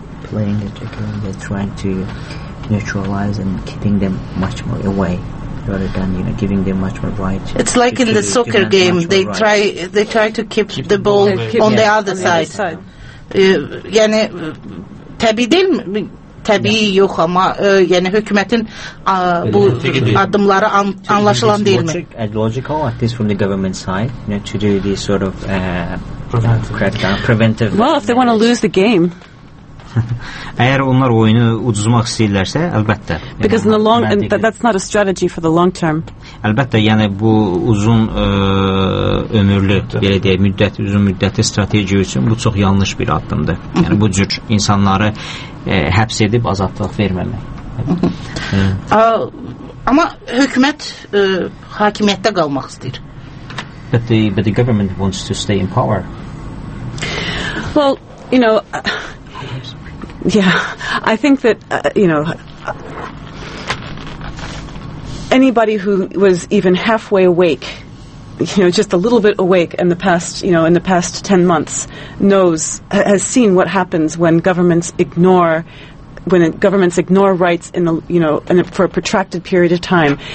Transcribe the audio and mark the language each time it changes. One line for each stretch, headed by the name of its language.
English: Playing it again, they're trying to neutralize and keeping them much more away, rather than you know giving them much more rights. It's like in the soccer game, they try to keep the ball on the other side.
Turkish: Yani tabii değil mi? Tabii yok ama yani hükümetin bu adımları anlaşılan değil mi?
English: Logical at least from the government side, you know, to do this sort of crackdown, preventive. Well, if they want to lose the game.
Azerbaijani: Əgər onlar oyunu ucuzmaq istəyirlərsə, əlbəttə.
English: Because in the long that's not a strategy for the long term.
Azerbaijani: Əlbəttə, yəni bu uzun ömürlü, belə deyək, müddət uzun müddətli strateji üçün bu çox yanlış bir addımdır. Yəni bu cür insanları həbs edib azadlıq verməmək. Amma hökumət hakimiyyətdə qalmaq istəyir.
English: But the government wants to stay in power. Well, you know, yeah, I think that, you know, anybody who was even halfway awake, you know, just a little bit awake in the past, you know, in the past 10 months knows, has seen what happens when governments ignore rights in the, you know, in a, for a protracted period of time.